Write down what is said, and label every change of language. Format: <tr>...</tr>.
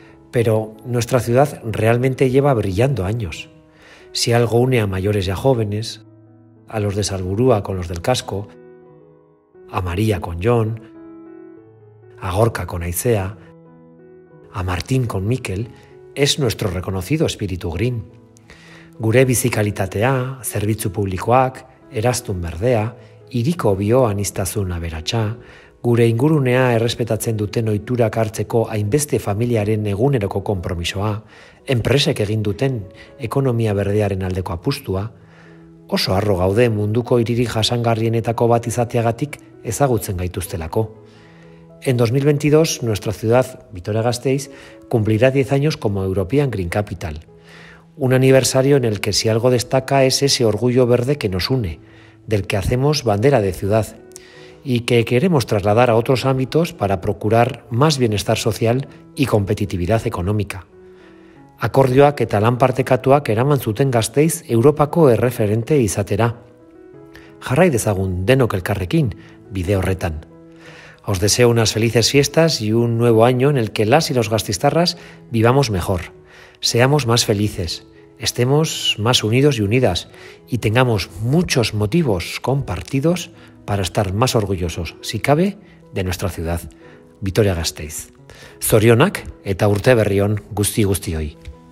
<es>Pero nuestra ciudad realmente lleva brillando años. Si algo une a mayores y a jóvenes, a los de Salburúa con los del casco, a María con John, a Gorka con Aizea, a Martín con Mikel, es nuestro reconocido espíritu green.</es> <eu>Gure bizikalitatea, zerbitzu publikoak, eraztun berdea, iriko bioaniztasun aberatsa, gure ingurunea errespetatzen duten ohiturak hartzeko hainbeste familiaren eguneroko konpromisoa, enpresek egin duten ekonomia berdearen aldeko apustua, oso harro gaude munduko hiririk jasangarrienetako bat izateagatik ezagutzen gaituztelako.</eu> <es>En 2022, nuestra ciudad, Vitoria-Gasteiz, cumplirá 10 años como European Green Capital. Un aniversario en el que si algo destaca es ese orgullo verde que nos une, del que hacemos bandera de ciudad, y que queremos trasladar a otros ámbitos para procurar más bienestar social y competitividad económica.</es> <eu>Akordioak eta lan partekatuak eraman zuten Gasteiz Europako erreferente izatera. Jarrai dezagun denok elkarrekin, bide horretan.</eu> <es>Os deseo unas felices fiestas y un nuevo año en el que las y los gasteiztarras vivamos mejor, seamos más felices, estemos más unidos y unidas y tengamos muchos motivos compartidos para estar más orgullosos, si cabe, de nuestra ciudad, Vitoria-Gasteiz.</es> <eu>Zorionak eta urte berri on guzti guztioi.</eu>